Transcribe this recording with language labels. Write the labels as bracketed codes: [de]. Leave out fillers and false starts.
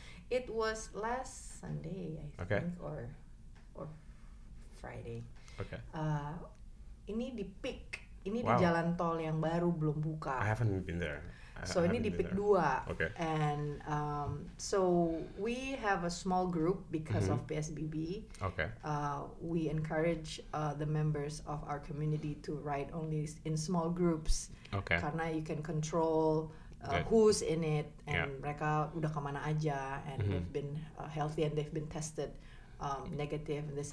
[en] It was last Sunday, I think, or Friday. Okay. [id] Ini di PIK, ini di jalan tol yang baru belum buka. [en] I haven't been there. [id] Ini di PIK 2. [en] Okay. And so we have a small group because of PSBB. Okay. We encourage the members of our community to ride only in small groups. Okay. Karena you can control who's in it, and [id] mereka udah kemana aja, [en] and they've been healthy, and they've been tested negative, and this